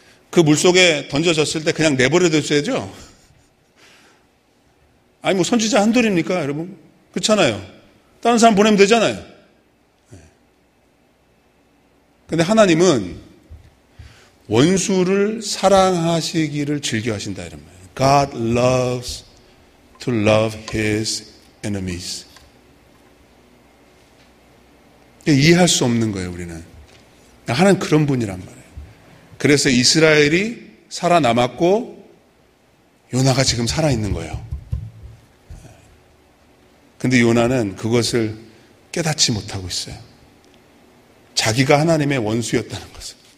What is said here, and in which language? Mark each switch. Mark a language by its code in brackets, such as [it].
[ko] 그 물속에 던져졌을 때 그냥 내버려 뒀어야죠? 아니 뭐 선지자 한둘입니까 여러분? 그렇잖아요. 다른 사람 보내면 되잖아요. 그런데 하나님은 원수를 사랑하시기를 즐겨하신다 이런 말이에요. [en] God loves to love his enemies. [ko] 이해할 수 없는 거예요. 우리는 하나님 그런 분이란 말이에요. 그래서 이스라엘이 살아남았고 요나가 지금 살아있는 거예요. 그런데 요나는 그것을 깨닫지 못하고 있어요. 자기가 하나님의 원수였다는 것을.